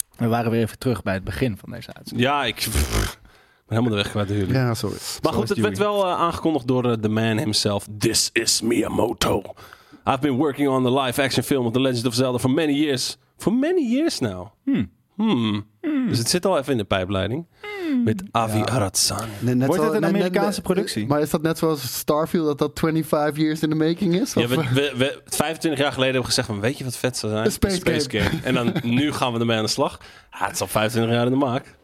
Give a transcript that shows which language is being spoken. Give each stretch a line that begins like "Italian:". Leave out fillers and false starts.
Dutch: We waren weer even terug bij het begin van deze uitzending. Ja, ik ben helemaal de weg kwijt jullie. Ja, sorry. Maar goed, het werd wel aangekondigd door
English: the man himself. This is Miyamoto. I've been working on the live-action film of The Legend of Zelda for many years. For many years now.
Dutch: Dus het zit al even in de pijpleiding. Met Avi Arad-san. Nee, wordt het een Amerikaanse productie? Maar is dat net zoals Starfield, dat
English: 25 years in the making
Dutch: is? Ja, we 25 jaar geleden hebben we gezegd van, weet je wat vet zou zijn?
English: Space game.
Dutch: En dan nu gaan we ermee aan de slag. Ha, het is al 25 jaar in de maak.